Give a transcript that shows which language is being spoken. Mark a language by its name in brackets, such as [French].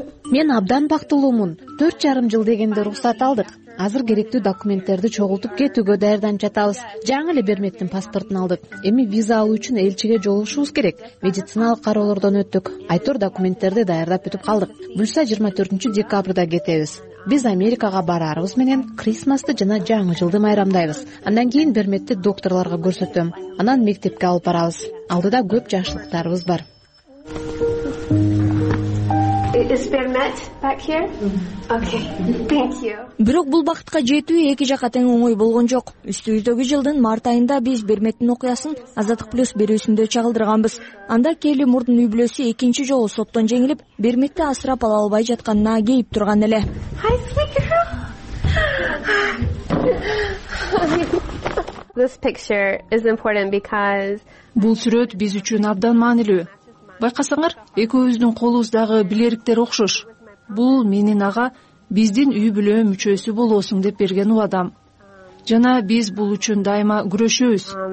[Kyrgyz] Мен абдан бактылуумун. 4.5 жыл дегенде уруксат алдык. Азыр керектүү документтерди чогултуп кетүүгө даярдан жатабыз. Жаңы эле Берметтин паспортун алдык. Эми виза алуу үчүн элчиге жолугушубуз керек. Медициналык кароолордон өттүк. Айтор документтерди даярдап бүтүп калдык. Бульса 24 декабрда кетебиз. Биз Америкага барарыбыз менен Крисмасты жана жаңы жылды майрамдайбыз. Андан кийин Берметти докторлорго көрсөтөм. Анан мектепке алып барабыз. Алдыда көп жакшылыктарыбыз бар. [English] Is Bermet back here? Okay. Thank you. [Kyrgyz] Бирок бул бактка жетүү эки жака тең оңой болгон жок. Үстүбүздөгү жылдын март айында биз Берметтин окуясын Азаттык Плюс берүүсүндө чагылдырганбыз. Анда Келли мурдун үй бүлөсү экинчи жолу соттон жеңилип, Берметти асырап ала албай жатканына кейип турган эле. [English] Hi, sweet girl. This picture is important because [Kyrgyz] бул сүрөт биз үчүн абдан маанилүү. Байкасаңар, экөөбүздүн колубуздагы билериктер окшош. Бул менин ага биздин үй бүлө мүчөсү болосуң деп берген убадам. Жана биз бул үчүн дайыма күрөшөбүз.